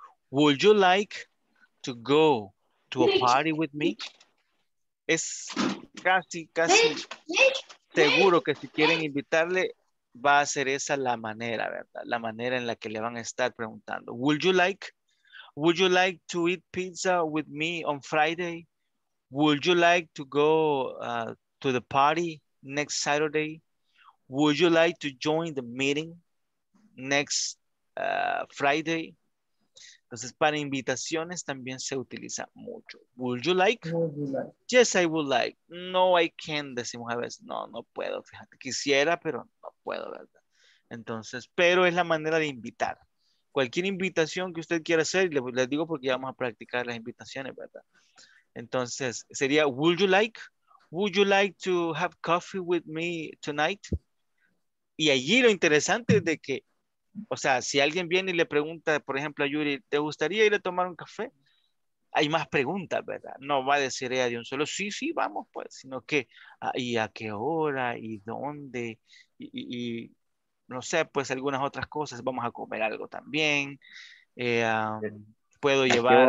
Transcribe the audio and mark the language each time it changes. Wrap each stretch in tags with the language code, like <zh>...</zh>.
<en>Would you like to go to a party with me?</en> <es>Es casi, casi seguro que si quieren invitarle, va a ser esa la manera, ¿verdad? La manera en la que le van a estar preguntando.</es> <en>Would you like to eat pizza with me on Friday? Would you like to go to the party next Saturday? Would you like to join the meeting next Friday?</en> <es>Entonces, para invitaciones también se utiliza mucho.</es> <en>Would you like? Yes, I would like.</en> <es>No,</es> <en>I can't,</en> <es>decimos a veces. No, no puedo, fíjate. Quisiera, pero no puedo, ¿verdad? Entonces, pero es la manera de invitar. Cualquier invitación que usted quiera hacer, les digo porque ya vamos a practicar las invitaciones, ¿verdad? Entonces, sería,</es> <en>would you like to have coffee with me tonight?</en> <es>Y allí lo interesante es de que, o sea, si alguien viene y le pregunta, por ejemplo, a Yuri, ¿te gustaría ir a tomar un café? Hay más preguntas, ¿verdad? No va a decir ella de un solo, sí, sí, vamos, pues, sino que, ¿y a qué hora? ¿Y dónde? Y no sé, pues, algunas otras cosas, vamos a comer algo también, puedo llevar</es>